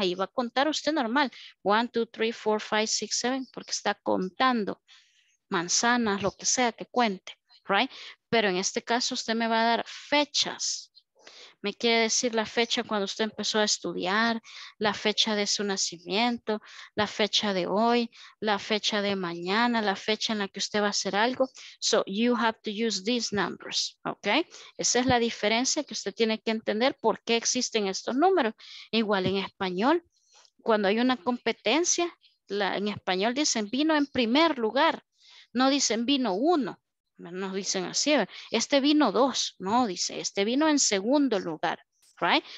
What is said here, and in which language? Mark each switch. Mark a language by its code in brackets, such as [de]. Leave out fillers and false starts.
[es] Ahí va a contar usted normal. 1, 2, 3, 4, 5, 6, 7, porque está contando manzanas, lo que sea que cuente, right? Pero en este caso usted me va a dar fechas. me quiere decir la fecha cuando usted empezó a estudiar, la fecha de su nacimiento, la fecha de hoy, la fecha de mañana, la fecha en la que usted va a hacer algo. [en] So you have to use these numbers, okay? [es] Esa es la diferencia que usted tiene que entender por qué existen estos números. Igual en español, cuando hay una competencia, en español dicen vino en primer lugar, no dicen vino uno. Nos dicen así, este vino dos, no, dice, este vino en segundo lugar, right?